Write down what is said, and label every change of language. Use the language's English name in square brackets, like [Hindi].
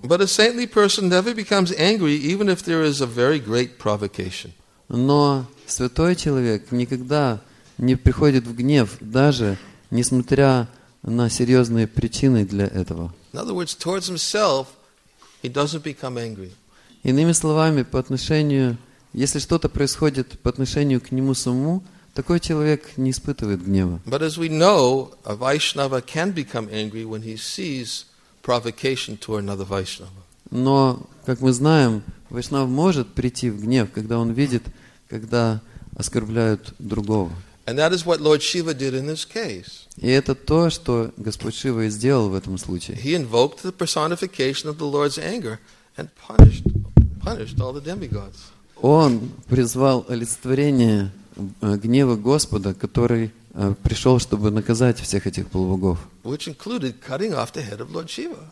[English] But a saintly person never becomes angry even if there is a very great provocation. [Russian] Но святой человек никогда не приходит в гнев, даже несмотря на серьезные причины для этого. [English] In other words, towards himself, he doesn't become angry. [Russian] Иными словами, по отношению, если что-то происходит по отношению к нему самому, такой человек не испытывает гнева. [English] But as we know, a Vaishnava can become angry when he sees provocation toward another Vaishnava. [Russian] Но, как мы знаем, Вайшнав может прийти в гнев, когда он видит, когда оскорбляют другого. [English] And that is what Lord Shiva did in this case. [Russian] И это то, что Господь Шива и сделал в этом случае. [English] He invoked the personification of the Lord's anger and punished all the demigods. [Russian] Он призвал олицетворение гнева Господа, который пришел, чтобы наказать всех этих полубогов. [English] Which included cutting off the head of Lord Shiva.